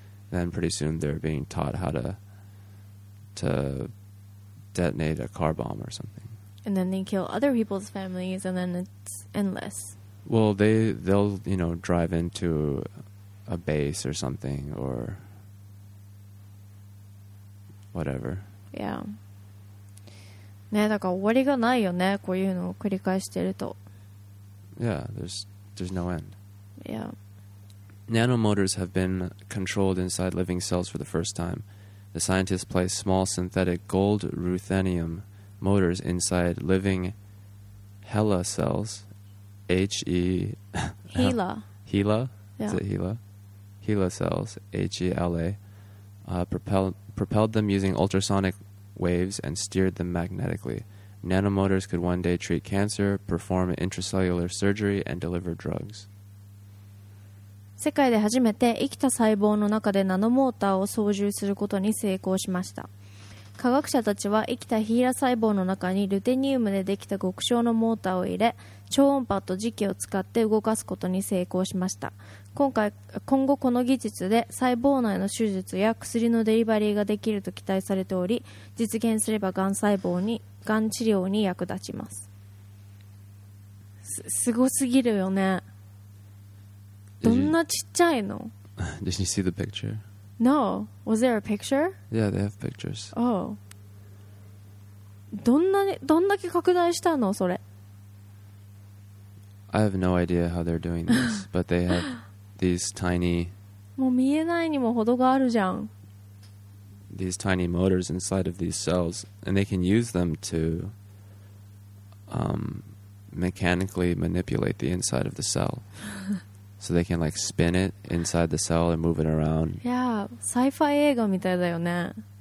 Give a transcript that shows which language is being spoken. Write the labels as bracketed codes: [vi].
[en] Then pretty soon they're being taught how to detonate a car bomb or something. And then they kill other people's families, and then it's endless. Well, they'll, you know, drive into a base or something or whatever. Yeah. [ja] ね、だから終わりがないよね、こういうのを繰り返してると。 [en] Yeah, there's no end. Yeah. Nanomotors have been controlled inside living cells for the first time. The scientists placed small synthetic gold ruthenium motors inside living HeLa cells. HeLa. HeLa? Yeah. Is it HeLa? HeLa cells, HeLa, propelled them using ultrasonic waves and steered them magnetically. Nanomotors could one day treat cancer, perform intracellular surgery, and deliver drugs. [ja] 世界で初めて生きた細胞の中でナノモーターを操縦することに成功しました。科学者たちは生きたヒーラ細胞の中にルテニウムでできた極小のモーターを入れ、超音波と磁気を使って動かすことに成功しました。今後この技術で細胞内の手術や薬のデリバリーができると期待されており、実現すればがん治療に役立ちます。すごすぎるよね。どんなちっちゃいの? [en] Did you see the picture? No. Was there a picture? Yeah, they have pictures. Oh. [ja] どんだけ拡大したの、それ? [en] I have no idea how they're doing this, but they have these tiny... [ja] もう見えないにも程があるじゃん。 [en] These tiny motors inside of these cells, and they can use them to mechanically manipulate the inside of the cell. So they can like spin it inside the cell and move it around. Yeah, [ja] sci-fi 映画みたいだよね。